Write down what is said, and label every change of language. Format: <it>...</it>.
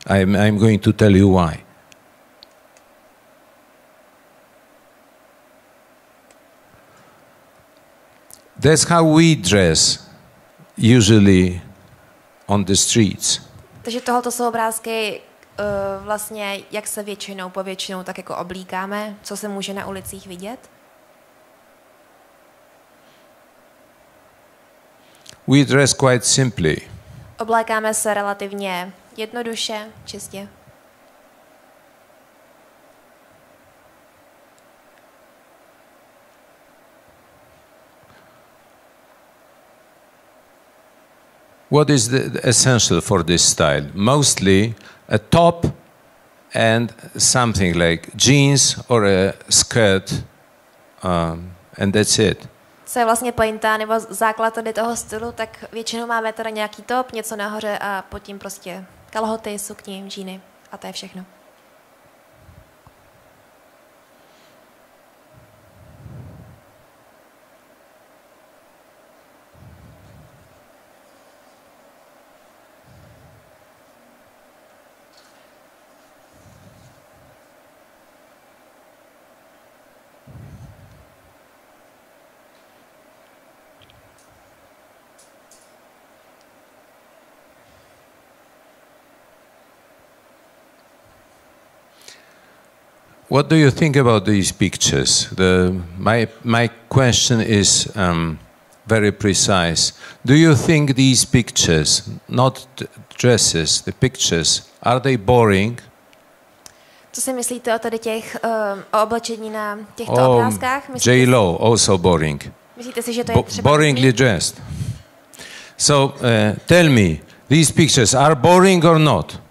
<en>I'm going to tell you why. That's how we dress usually on the streets.</en> <cs>Takže tohle jsou obrázky vlastně, jak se většinou povětšinou tak jako oblíkáme, co se může na ulicích vidět.</cs> <en>We dress quite simply.</en> <cs>Oblékáme se relativně jednoduše, čistě.</cs> <en>What is the essential for this style? Mostly a top and something like jeans or a skirt, and that's it.</en> <cs>Co je vlastně pointa nebo základ tady toho stylu, tak většinou máme teda nějaký top, něco nahoře a pod tím prostě kalhoty, sukni, džíny a to je všechno.</cs> <en>What do you think about these pictures? My question is very precise. Do you think these pictures, not dresses, the pictures, are they boring?</en> <cs>Co si myslíte o tady těch o oblečení na těchto obrázkách?</cs> <en>J-Lo, also boring.</en> <cs>Myslíte si, že to je třeba boringly mý? Dressed.</cs> <en>So tell me, these pictures are boring or not?</en>